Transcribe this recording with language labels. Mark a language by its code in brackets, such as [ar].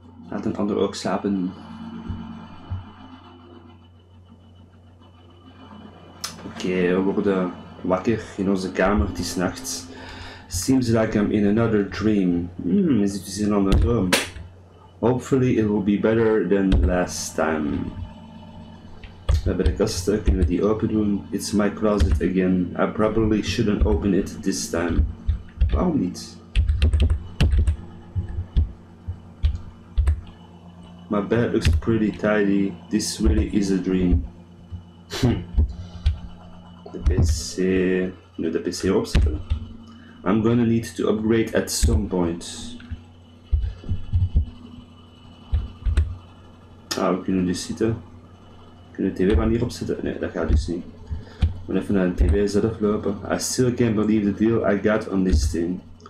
[nl] Laat een ander ook slapen. Oké, we worden wakker in onze kamer, die is nacht. [en] Seems like I'm in another dream. [nl] Is het dus in een andere droom? [en] Hopefully it will be better than last time. [nl] We hebben de kasten, kunnen we die open doen? [en] It's my closet again. I probably shouldn't open it this time. [nl] Waarom niet? [en] My bed looks pretty tidy. This really is a dream. [nl] De PC. Nu de PC opzetten. [en] I'm gonna need to upgrade at some point. [nl] Ah, we kunnen dus zitten. Kunnen de tv maar niet opzetten? Nee, dat gaat dus niet. We moeten even naar de tv zelf lopen. [en] I still can't believe the deal I got on this thing.